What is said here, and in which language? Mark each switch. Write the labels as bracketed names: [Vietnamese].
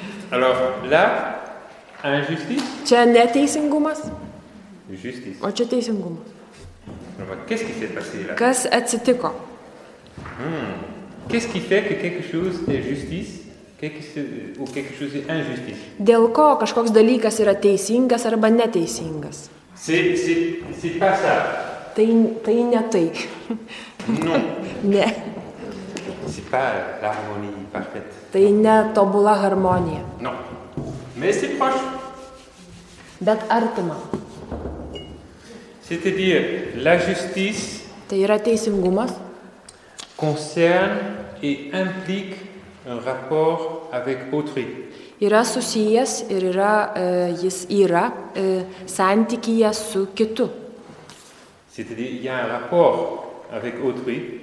[French] Alors, là injustice? [Lithuanian] Čia neteisingumas. [French] Justice. [Lithuanian] O čia teisingumas. [French] Qu'est-ce qui s'est passé là? [Lithuanian] Kas atsitiko? [French] Qu'est-ce qui fait que quelque chose est justice, quelque chose est injustice? [Lithuanian] Dėl ko kažkoks dalykas yra teisingas arba neteisingas? [French] C'est pas ça. [Lithuanian] Tai ne tai. [French] Non. [Lithuanian] Ne. [French] C'est pas l'harmonie parfaite. [Lithuanian] Tai ne tobula harmonija. [French] Non. Mais c'est proche. [Lithuanian] Bet artima. [French] C'est-à-dire, la justice [Lithuanian] tai yra teisingumas [French] concerne et implique un rapport avec autrui. [Lithuanian] Yra susijęs ir yra, jis yra santykyje su kitu. [French] C'est-à-dire, il y a un rapport avec autrui.